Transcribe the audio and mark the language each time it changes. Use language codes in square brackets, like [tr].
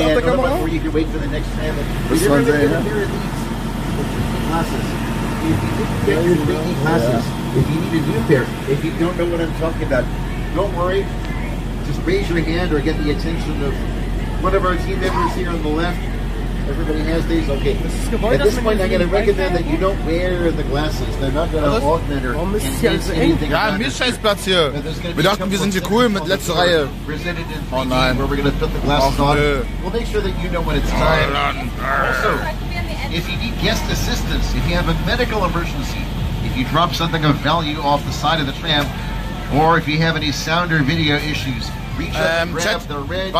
[de] auf der Kamera? Und wir sind hier in den Glasses. [en] If you need a new pair, if you don't know what I'm talking about, don't worry. Just raise your hand or get the attention of one of our team members here on the left. Everybody has these. Okay. At this point, I'm going to recommend that you don't wear the glasses. They're not going to augment or enhance anything. [de] Ja, mir ist scheißplatz hier. Wir dachten, wir sind hier cool mit letzte Reihe. Oh nein. [en] Where we're going to put the glasses on. We'll make sure that you know when it's time. Also, if you need guest assistance, if you have a medical emergency, if you drop something of value off the side of the tram, or if you have any sound or video issues, reach out and grab the red